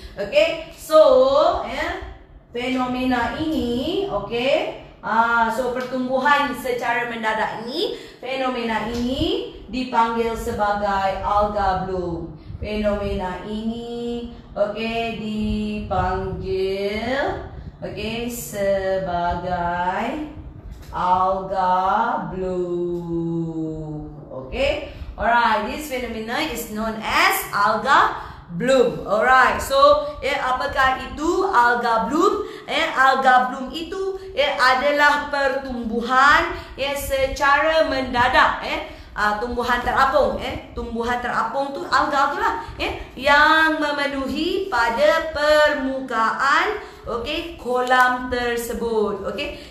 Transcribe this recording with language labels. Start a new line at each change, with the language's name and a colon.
Malay: Okey, so fenomena ini, okey, so pertumbuhan secara mendadak ini, fenomena ini dipanggil sebagai alga bloom. Fenomena ini, okey, dipanggil, okey, sebagai alga bloom.
English: Okey, alright, this phenomena is known as alga bloom.
Malay: Alright, so apakah itu alga bloom? Alga bloom itu adalah pertumbuhan secara mendadak. Tumbuhan terapung, tumbuhan terapung tu alga tu lah, yang memenuhi pada permukaan, okey, kolam tersebut, okey.